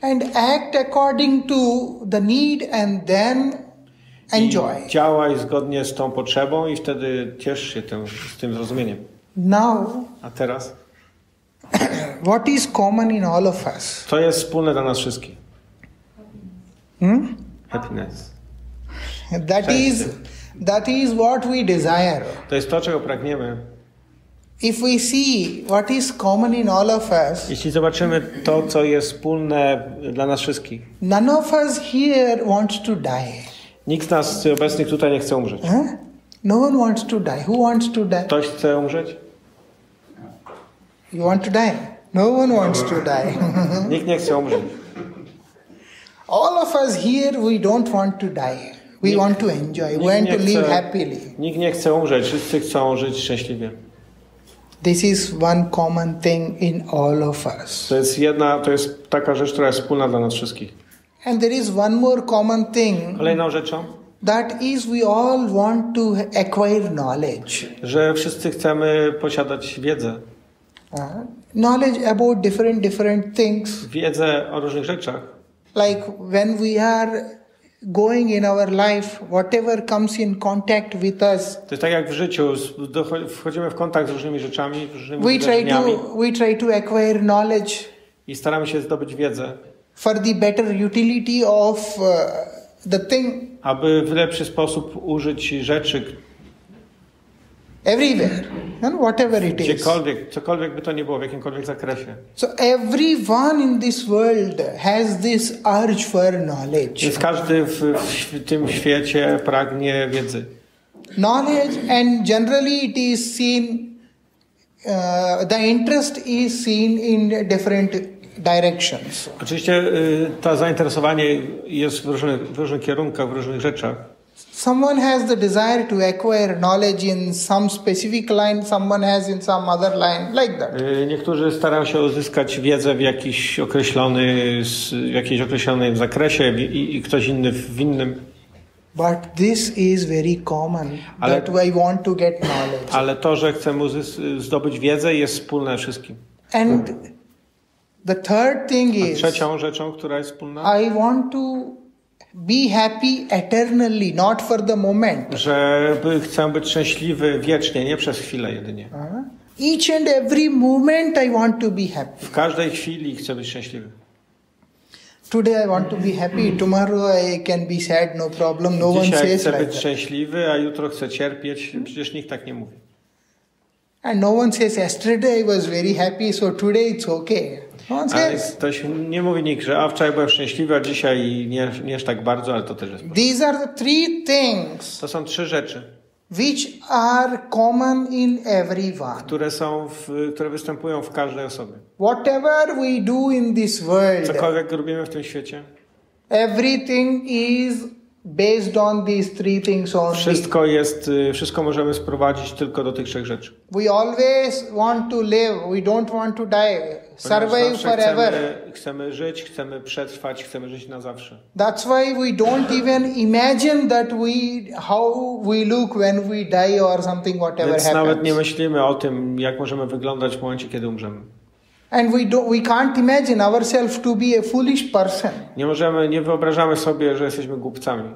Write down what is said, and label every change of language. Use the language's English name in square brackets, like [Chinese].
[English] And act according to the need and then enjoy. [Polish] I działaj zgodnie z tą potrzebą i wtedy ciesz się z tym zrozumieniem. [English] Now. [Polish] A teraz? [English] What is common in all of us? [Polish] To jest wspólne dla nas wszystkich. [English] Happiness. That is what we desire. [Polish] To jest to, czego pragniemy. [English] If we see what is common in all of us. [Polish] Jeśli zobaczymy to, co jest wspólne dla nas wszystkich. [English] None of us here wants to die. [Polish] Nikt z nas obecnych tutaj nie chce umrzeć. [English] No one wants to die. Who wants to die? [Polish] Ktoś chce umrzeć? [English] You want to die? No one wants to die. [Polish] Nikt nie chce umrzeć. [English] All of us here, we don't want to die. We want to enjoy. We want to live happily. [Polish] Nikt nie chce umrzeć. Wszyscy chcą żyć szczęśliwie. [English] This is one common thing in all of us. [Polish] To jest taka rzecz, która jest wspólna dla nas wszystkich. [English] And there is one more common thing. [Polish] Kolejną rzeczą. [English] That is, we all want to acquire knowledge. [Polish] Że wszyscy chcemy posiadać wiedzę. [English] Knowledge about different things. [Polish] Wiedzę o różnych rzeczach. [English] Like when we are going in our life, whatever comes in contact with us. [Polish] To jest tak jak w życiu, wchodzimy w kontakt z różnymi rzeczami, z różnymi wydarzeniami. [English] We try to acquire knowledge. [Polish] I staramy się zdobyć wiedzę. [English] For the better utility of the thing. [Polish] Aby w lepszy sposób użyć rzeczy. [English] Everywhere. And whatever it is. [Polish] Gdziekolwiek, cokolwiek by to nie było, w jakimkolwiek zakresie. [English] So everyone in this world has this urge for knowledge. [Polish] Więc każdy w tym świecie pragnie wiedzy. [English] Knowledge, and generally it is seen, the interest is seen in different directions. [Polish] Oczywiście to zainteresowanie jest w różnych kierunkach, w różnych rzeczach. [English] Someone has the desire to acquire knowledge in some specific line, someone has in some other line, like that. [Polish] Niektórzy starają się uzyskać wiedzę w jakimś określonym zakresie i ktoś inny w innym. [English] But this is very common, [Polish] ale, [English] that we want to get knowledge. [Polish] Ale to, że chcemy zdobyć wiedzę, jest wspólne wszystkim. [English] And the third thing is, [Polish] a trzecią rzeczą, która jest wspólna, [English] I want to be happy eternally, not for the moment. [Polish] Że chcę być szczęśliwy wiecznie, nie przez chwilę jedynie. [English] Each and every moment I want to be happy. [Polish] W każdej chwili chcę być szczęśliwy. [English] Today I want to be happy, tomorrow I can be sad, no problem, no [Polish] dzisiaj [English] one says like [Polish] chcę być [English] that. [Polish] Szczęśliwy, a jutro chcę cierpieć, przecież nikt tak nie mówi. [English] And no one says yesterday I was very happy, so today it's okay. [Polish] Ktoś nie mówi nikt, że a wczoraj byłem szczęśliwy, a dzisiaj nie aż tak bardzo, ale to też jest. [English] These are the three things. [Polish] To są trzy rzeczy. [English] which are common in everyone. [Polish] Które występują w każdej osobie. [English] Whatever we do in this world. [Polish] Cokolwiek robimy w tym świecie. [English] Everything is based on these three things only. [Polish] Wszystko możemy sprowadzić tylko do tych trzech rzeczy. [English] We always want to live. We don't want to die. [Polish] Ponieważ [English] survive forever. [Polish] Chcemy żyć, chcemy przetrwać, chcemy żyć na zawsze. [English] That's why we don't even imagine that how we look when we die or something whatever [Polish] Więc [English] happens. [Polish] Nawet nie myślimy o tym, jak możemy wyglądać w momencie, kiedy umrzemy. [English] And we can't imagine ourselves to be a foolish person. [Polish] Nie wyobrażamy sobie, że jesteśmy głupcami.